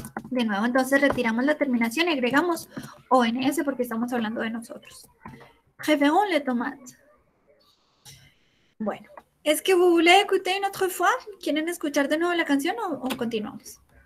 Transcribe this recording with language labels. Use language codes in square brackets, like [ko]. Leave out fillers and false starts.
[es] De nuevo, entonces retiramos la terminación y agregamos ONS porque estamos hablando de nosotros. [fr] Preferons les tomates. Bueno. ¿Es que vous voulez écouter une autre fois? [es] ¿Quieren escuchar de nuevo la canción o continuamos?